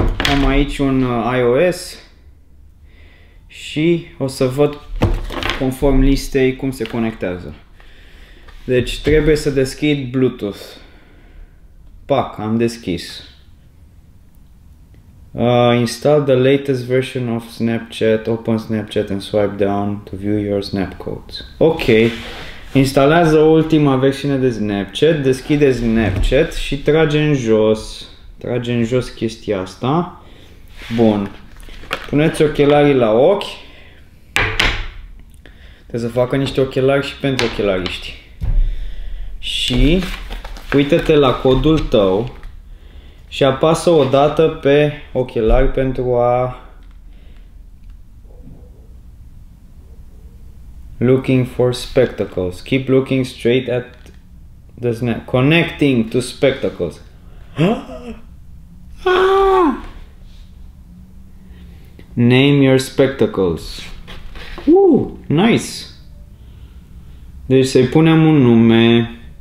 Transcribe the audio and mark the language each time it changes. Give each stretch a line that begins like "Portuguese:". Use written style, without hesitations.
Romanian: Am aici un iOS și o să văd conform listei cum se conectează. Deci trebuie să deschid Bluetooth. Pac, am deschis.
English: Install the latest version of Snapchat, open Snapchat and swipe down to view your Snapcodes.
Romanian: Ok, instalează ultima versiune de Snapchat, deschide Snapchat și trage în jos. Trage în jos chestia asta. Bun. Puneți ochelarii la ochi. Trebuie să facă niște ochelari și pentru ochelariști. Și uită-te la codul tău. Și apasă o dată pe ochelari pentru a
English: looking for spectacles. Keep looking straight at the snap. Connecting to spectacles. Name your spectacles. Nice.
Romanian: Deci să-i punem un nume.